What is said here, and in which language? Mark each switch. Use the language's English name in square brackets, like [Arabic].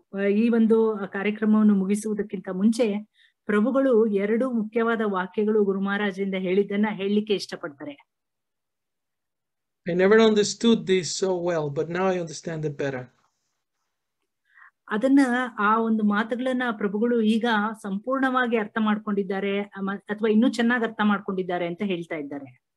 [Kannada] ಈ ಒಂದು ಕಾರ್ಯಕ್ರಮವನ್ನು ಮುಗಿಸುವುದಕ್ಕಿಂತ ಮುಂಚೆ ಪ್ರಭುಗಳು ಎರಡು ಮುಖ್ಯವಾದ ವಾಕ್ಯಗಳು ಗುರು ಮಹಾರಾಜರಿಂದ ಹೇಳಿದ್ದನ್ನ ಹೇಳಲಿಕ್ಕೆ ಇಷ್ಟಪಡ್ತಾರೆ. [English] I never understood this so well, but now I understand it better. [Kannada] ಅದನ್ನ ಆ ಒಂದು ಮಾತುಗಳನ್ನ ಪ್ರಭುಗಳು ಈಗ ಸಂಪೂರ್ಣವಾಗಿ ಅರ್ಥ ಮಾಡ್ಕೊಂಡಿದ್ದಾರೆ ಅಥವಾ ಇನ್ನೂ ಚೆನ್ನಾಗಿ ಅರ್ಥ ಮಾಡ್ಕೊಂಡಿದ್ದಾರೆ ಅಂತ ಹೇಳ್ತಾ ಇದ್ದಾರೆ.